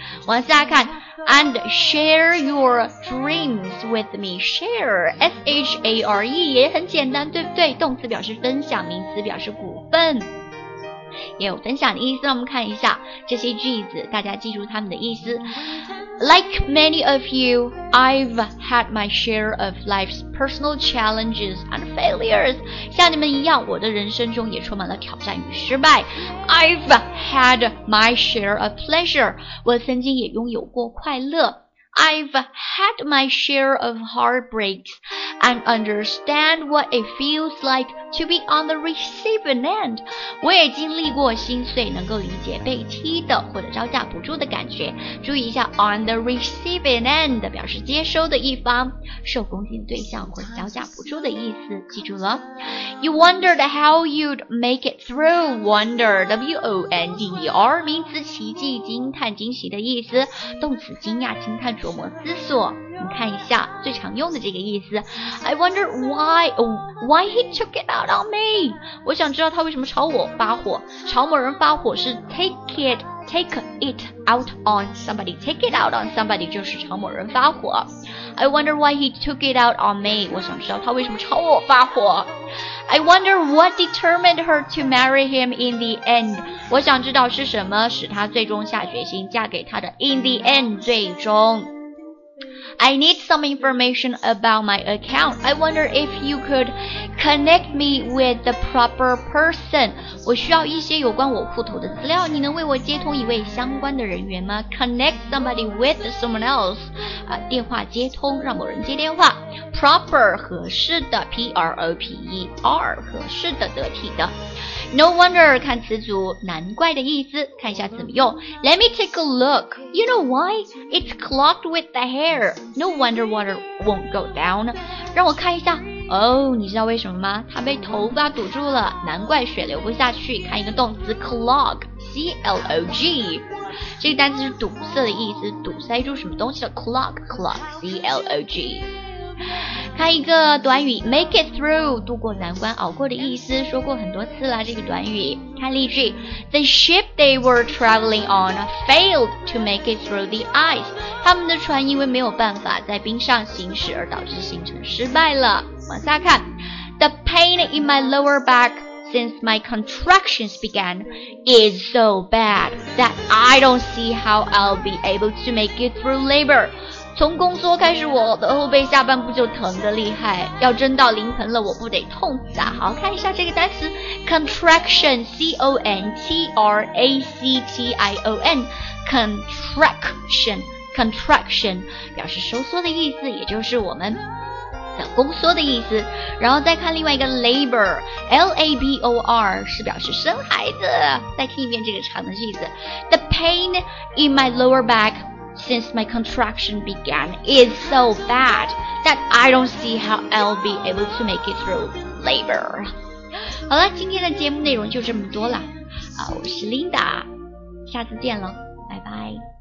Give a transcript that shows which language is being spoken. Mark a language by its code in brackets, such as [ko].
[zh] 往下看 [en] ,and share your dreams with me. [zh] Share, S-H-A-R-E, 也很简单,对不对? 动词表示分享,名词表示股份。也有分享的意思,我们看一下这些句子,大家记住它们的意思。 [en] Like many of you, I've had my share of life's personal challenges and failures. [zh] 像你们一样，我的人生中也充满了挑战与失败。 [en] I've had my share of pleasure. [zh] 我曾经也拥有过快乐。 [en] I've had my share of heartbreaks and understand what it feels like to be on the receiving end. [zh] 我也经历过心碎能够理解被踢的或者招架不住的感觉。注意一下 [en] on the receiving end [zh] 表示接收的一方受攻击的对象或者招架不住的意思记住了。 [en] You wondered how you'd make it through. [zh] Wonder, W-O-N-D-E-R, 名词奇迹惊叹惊喜的意思动词惊讶惊叹琢磨思索你看一下最常用的这个意思 [en] I wonder why he took it out on me [zh] 我想知道他为什么朝我发火朝某人发火是 take [en] it out on somebody [zh] 就是朝某人发火 [en] I wonder why he took it out on me [zh] 我想知道他为什么朝我发火 [en] I wonder what determined her to marry him in the end [zh] 我想知道是什么使他最终下决心嫁给他的 [en] in the end [zh] 最终 [en] I need some information about my account. I wonder if you could connect me with the proper person. [zh] 我需要一些有关我户头的资料。你能为我接通一位相关的人员吗 ? [en] Connect somebody with someone else.、 [zh] 电话接通让某人接电话。 Proper, 合适的 ,P-R-O-P-E-R, 合适的得体的。 [en] No wonder, [zh] 看词组难怪的意思看一下怎么用 [en] Let me take a look You know why? It's clogged with the hair No wonder water won't go down [zh] 让我看一下哦、oh, 你知道为什么吗它被头发堵住了难怪水流不下去看一个动词 clog C-L-O-G 这个单词是堵塞的意思堵塞住什么东西的 clog C-L-O-G 看一个短语 [en] make it through [zh] 度过难关熬过的意思，说过很多次了这个短语。看例句， [en] The ship they were traveling on failed to make it through the ice. [zh] 他们的船因为没有办法在冰上行驶而导致行程失败了。往下看， [en] The pain in my lower backSince my contractions began, is so bad that I don't see how I'll be able to make it through labor. [zh] 从工作开始，我的后背下半部就疼得厉害，要真到临盆了，我不得痛死啊！好，看一下这个单词 ，contraction, C-O-N-T-R-A-C-T-I-O-N, contraction, contraction 表示收缩的意思，也就是我们。的宫缩的意思，然后再看另外一个 labor, L-A-B-O-R 是表示生孩子。再听一遍这个长的句子， [en] The pain in my lower back since my contraction began is so bad that I don't see how I'll be able to make it through labor. [zh] 好了，今天的节目内容就这么多了，我是 Linda, 下次见了，拜拜。